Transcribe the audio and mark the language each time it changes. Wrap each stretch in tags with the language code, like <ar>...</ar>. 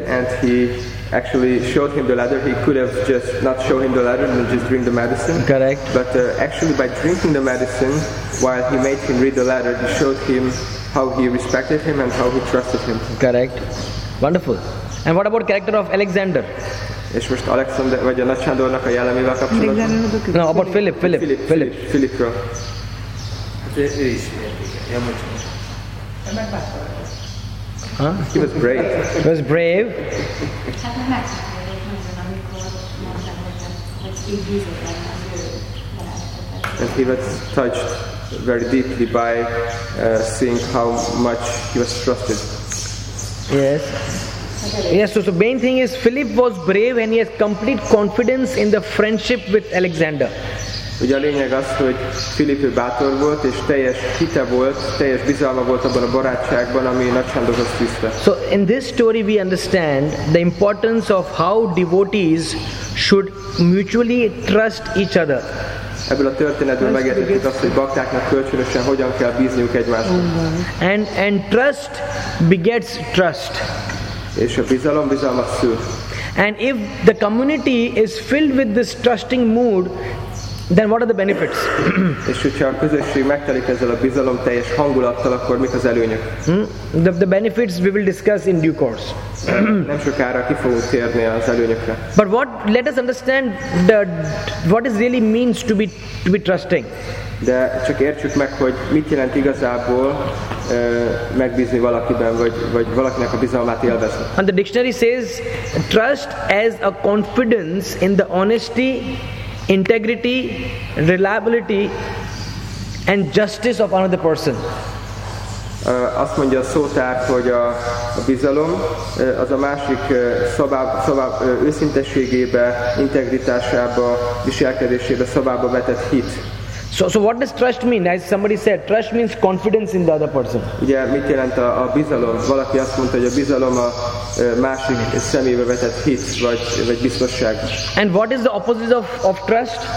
<en>And he actually showed him the letter. He could have just not shown him the letter and just drink the medicine. Correct. But actually by drinking the medicine, while he made him read the letter, he showed him how he respected him and how he trusted him. Correct. Wonderful. And what about character of Alexander?</en> <hu>És most Alexander, vagy a Nagy Sándornak a jellemével kapcsolatban?</hu> <en>No, about Philip. Philip.</en> <hu>Philipra. Huh?</hu> <en>He was brave. And he was touched very deeply by seeing how much he was trusted. Yes. Yes, so the main thing is Philip was brave and he has complete confidence in the friendship with Alexander.</en> <hu>Ugye a lényeg az, hogy Philip bátor volt, és teljes hite volt, teljes bizalma volt abban a barátságban, ami Nagy Sándorhoz tűzte.</hu> <en>So in this story we understand the importance of how devotees should mutually trust each other.</en> <hu>Ebből a történetből megértettük azt, hogy baktáknak kölcsönösen hogyan kell bízniuk egymásnak.</hu> <en>And trust begets trust.</en> <hu>És a bizalom bizalmat szül.</hu> <en>And if the community is filled with this trusting mood, then what are the benefits?</en> <hu>És hogyha a közösség megtelik ezzel a bizalom teljes hangulattal, akkor mik az előnyök?</hu> <en>The benefits we will discuss in due course.</en> <hu>Nem sokára ki fogunk térni az előnyökre.</hu> <en>But what, let us understand what is really means to be trusting.</en> <hu>De csak értsük meg, hogy mit jelent igazából megbízni valakiben, vagy valakinek a bizalmát élvezni.</hu> <en>And the dictionary says trust as a confidence in the honesty, integrity, reliability and justice of another person.</en> <hu>Azt mondja a szótár, hogy a bizalom az a másik szabába, őszintességébe, integritásába, viselkedésébe, szabába vetett hit.</hu> <en>So what does trust mean? As somebody said, trust means confidence in the other person.</en> <hu>Ugye mit jelent a bizalom? Valaki azt mondta, hogy a bizalom a másik szemébe vetett hit, vagy biztosság.</hu> <en>And what is the opposite of trust?</en>